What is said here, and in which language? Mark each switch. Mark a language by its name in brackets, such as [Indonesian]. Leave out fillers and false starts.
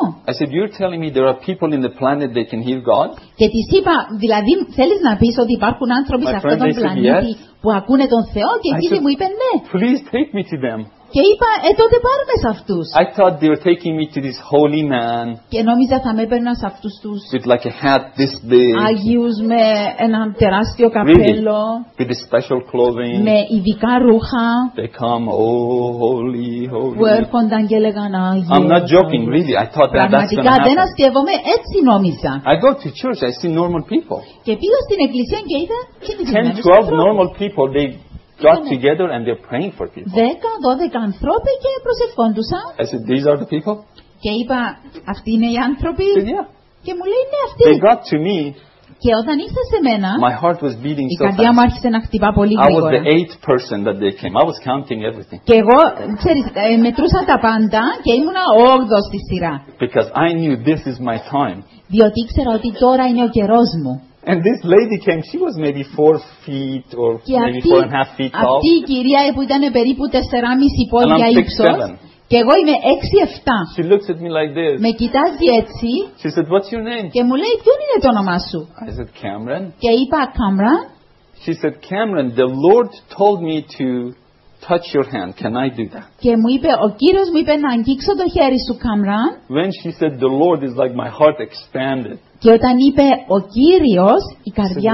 [English] I said, you're telling me there are people in the planet that can hear God? [Greek] Και της είπα, δηλαδή θέλεις να πεις ότι υπάρχουν άνθρωποι σε αυτόν τον πλανήτη που ακούνε τον Θεό? Και εκείνη μου είπε ναι. [English] Please take me to them. [Greek] Και είπα, τότε πάρε με σε αυτούς. [English] I thought they were taking me to this holy man. [Greek] Και νόμιζα θα με έπαιρναν σε αυτούς τους. [English] With like a hat this big. [Greek] Άγιους με έναν τεράστιο καπέλο. [English] Really? With the special clothing. [Greek] Με ειδικά ρούχα. [English] They come, oh, holy, holy. [Greek] Που έρχονταν και έλεγαν, Άγιε. [English] I'm not joking, really. I thought that that's going to happen. [Greek] Δεν αστειεύομαι, έτσι νόμιζα. [English] I go to church, I see normal people. [Greek] Και πήγα στην εκκλησία και είδα [English] 10-12 normal people, they got together and they're praying for people. [Greek] 10-12 άνθρωποι και προσευχόντουσαν. [English] I said, these are the people? [Greek] Και είπα, αυτοί είναι οι άνθρωποι. [English] Said, yeah. [Greek] Και μου λέει, ναι, αυτοί. [English] They got to me. [Greek] Και όταν ήρθα σε μένα, [English] my heart was beating [Greek] η καρδιά [English] so [Greek] μου άρχισε να χτυπά πολύ γρήγορα. [English] I was the eighth person that they came. I was counting everything. [Greek] Και εγώ, ξέρεις, μετρούσα τα πάντα και ήμουνα όγδος στη σειρά. [English] Because I knew this is my time. [Greek] Διότι ήξερα ότι τώρα είναι ο καιρός μου. [English] And this lady came, she was maybe 4 feet or maybe 4.5 feet tall. [Greek] Αυτή η κυρία που ήταν περίπου 4.5 πόδια ύψος. Και εγώ είμαι 6-7. [English] She looks at me like this. [Greek] Με κοιτάζει έτσι. [English] She said, what's your name? [Greek] Και μου λέει, ποιο είναι το όνομά σου. [English] I said, Cameron. [Greek] Και είπα, Cameron. [English] She said, Cameron, the Lord told me to touch your hand. Can I do that? [Greek] Και μου είπε, ο Κύριος μου είπε να αγγίξω το χέρι σου, Cameron. [English] When she said, the Lord is like my heart expanded. [Greek] Και όταν είπε ο Κύριος, η καρδιά